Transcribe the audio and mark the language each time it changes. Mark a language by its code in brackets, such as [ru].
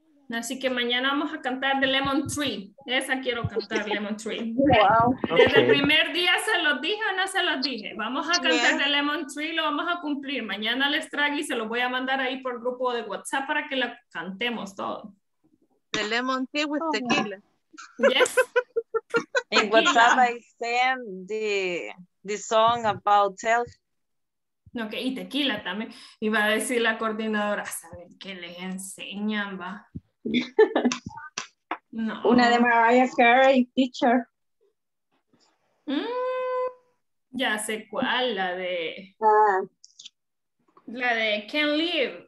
[es] Así que mañana vamos a cantar The Lemon Tree. Esa quiero cantar, Lemon Tree. [en] Wow. [es] Desde el primer día se los dije o no se los dije. Vamos a cantar The Lemon Tree, lo vamos a cumplir. Mañana les traigo y se los voy a mandar ahí por grupo de WhatsApp para que la cantemos todo. [en] The Lemon Tree with tequila. Yes. In WhatsApp I send the song about tell. [es] No, okay, que y tequila también. Y va a decir la coordinadora, ¿saben qué les enseñan, va? No. Una de Mariah Carey, teacher. Ya sé cuál, la de. La de Can't Live.